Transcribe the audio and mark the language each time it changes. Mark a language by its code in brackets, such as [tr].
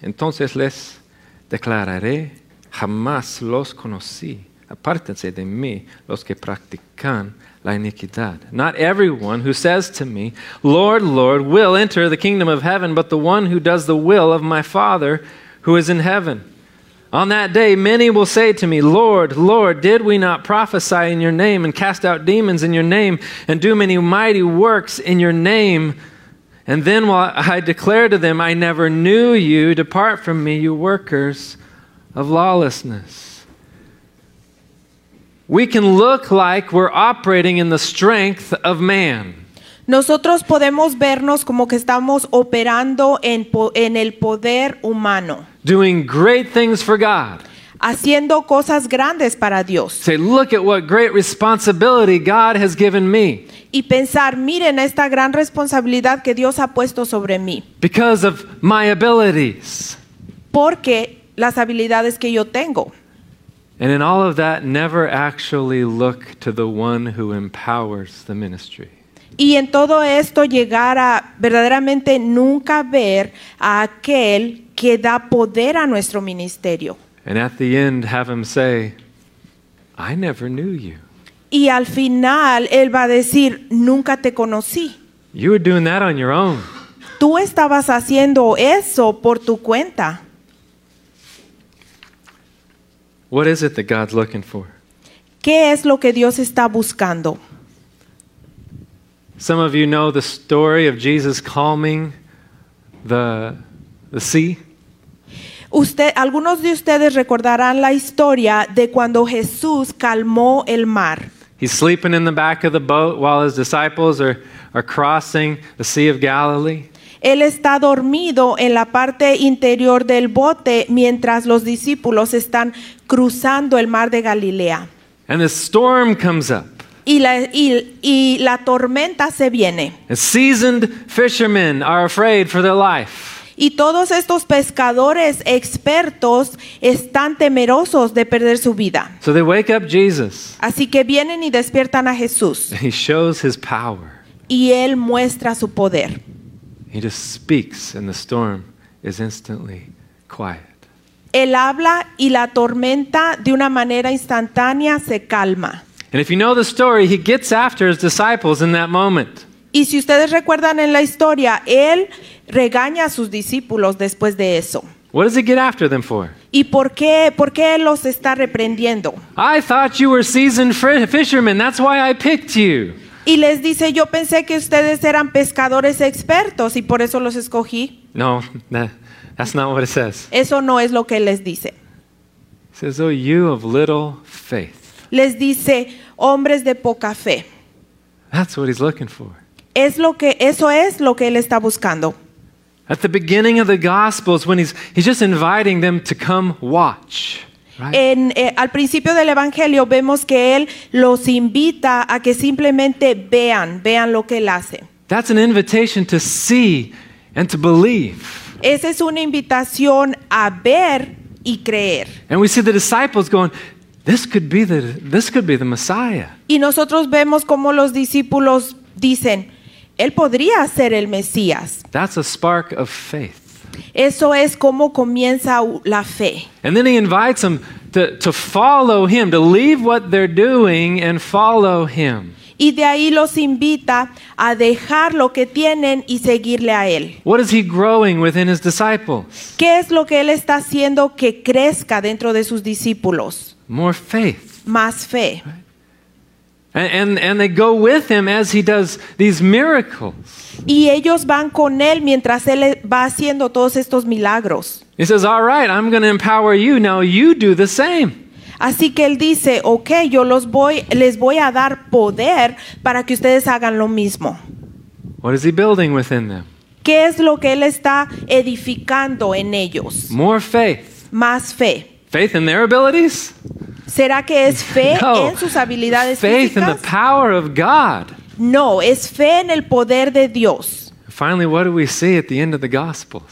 [es] Entonces les declararé, jamás los conocí. Apártense de mí, los que practican la iniquidad. [en] Not everyone who says to me, Lord, Lord, will enter the kingdom of heaven, but the one who does the will of my Father who is in heaven. On that day, many will say to me, Lord, Lord, did we not prophesy in your name and cast out demons in your name and do many mighty works in your name? And then while I declare to them, I never knew you, depart from me, you workers of lawlessness. We can look like we're operating in the strength of man. [es] Nosotros podemos vernos como que estamos operando en el poder humano. [en] Doing great things for God. [es] Haciendo cosas grandes para Dios. [en] Say, look at what great responsibility God has given me. [es] Y pensar, miren esta gran responsabilidad que Dios ha puesto sobre mí. [en] Because of my abilities. [es] Porque las habilidades que yo tengo. [en] And in all of that, never actually look to the one who empowers the ministry. [es] Y en todo esto llegar a verdaderamente nunca ver a aquel que da poder a nuestro ministerio. [en] And at the end, have him say, I never knew you. [es] Y al final, él va a decir, nunca te conocí. [en] You were doing that on your own. [es] Tú estabas haciendo eso por tu cuenta. [en] What is it that God's looking for? [es] ¿Qué es lo que Dios está buscando? [en] Some of you know the story of Jesus calming the sea. [es] Algunos de ustedes recordarán la historia de cuando Jesús calmó el mar. [en] He's sleeping in the back of the boat while his disciples are crossing the Sea of Galilee. [es] Él está dormido en la parte interior del bote mientras los discípulos están cruzando el mar de Galilea. [en] And the storm comes up. [es] Y la tormenta se viene. [en] And seasoned fishermen are afraid for their life. [es] Y todos estos pescadores expertos están temerosos de perder su vida. [en] So they wake up Jesus. [es] Así que vienen y despiertan a Jesús. [en] He shows his power. [es] Y él muestra su poder. [en] He just speaks and the storm is instantly quiet. [es] Él habla y la tormenta de una manera instantánea se calma. [en] And if you know the story, he gets after his disciples in that moment. [es] Y si ustedes recuerdan en la historia, él regaña a sus discípulos después de eso. [en] What does he get after them for? [es] ¿Y por qué él los está reprendiendo? [en] I thought you were seasoned fishermen, that's why I picked you. [es] Y les dice, yo pensé que ustedes eran pescadores expertos y por eso los escogí. [en] No, that's not what it says. [es] Eso no es lo que les dice. [en] It says, oh, you of little faith. [es] les dice, hombres de poca fe. [en] That's what he's looking for. [es] Es lo que, eso es lo que él está buscando. [en] At the beginning of the Gospels, when he's just inviting them to come watch. Right. [es] Al principio del Evangelio vemos que él los invita a que simplemente vean lo que él hace. [en] That's an invitation to see and to believe. [es] Esa es una invitación a ver y creer. [en] And we see the disciples going, this could be the Messiah. [es] Y nosotros vemos como los discípulos dicen, él podría ser el Mesías. [en] That's a spark of faith. [es] Eso es como comienza la fe. [en] And then he invites them to follow him, to leave what they're doing and follow him. [es] Y de ahí los invita a dejar lo que tienen y seguirle a él. [en] What is he growing within his disciples? [es] ¿Qué es lo que él está haciendo que crezca dentro de sus discípulos? [en] More faith. [es] Más fe. [en] And they go with him as he does these miracles. [es] Y ellos van con él mientras él va haciendo todos estos milagros. [en] He says, "All right, I'm going to empower you. Now you do the same." [es] Así que él dice, "Okay, yo les voy a dar poder para que ustedes hagan lo mismo." [en] What is he building within them? [es] ¿Qué es lo que él está edificando en ellos? [en] More faith. [es] Más fe. [en] Faith in their abilities? [es] ¿Será que es fe no, en sus habilidades [en] faith [es] físicas? [en] In the power of God. [es] No, es fe en el poder de Dios. [en] Finally, what do we see at the end of the Gospels?